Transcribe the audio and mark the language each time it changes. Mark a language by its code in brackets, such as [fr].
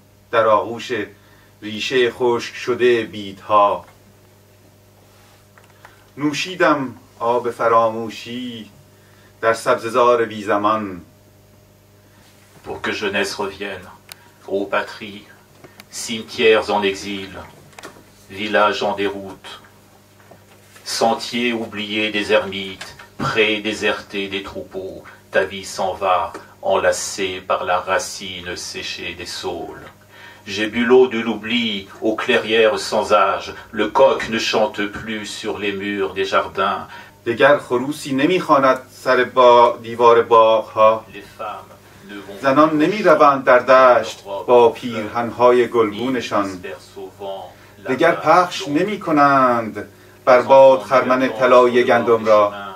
[fa] در آغوش ریشه خشک شده بیدها نوشیدم آب فراموشی در سبززار بی زمان. [fr] Pour que jeunesse revienne, ô patrie, cimetières en exil, villages en déroute, sentiers oubliés des ermites, prés désertés des troupeaux, ta vie s'en va, enlacée par la racine séchée des saules. J'ai bu l'eau de l'oubli aux clairières sans âge. Le coq ne chante plus sur les murs des jardins. [fa] دگر خروسی نمیخواند سر با دیوار باغ ها. زنان نمیروند در دشت با پیرهن های گلگونشان. دگر پخش نمیکنند بر باد خرمن طلایی گندم را.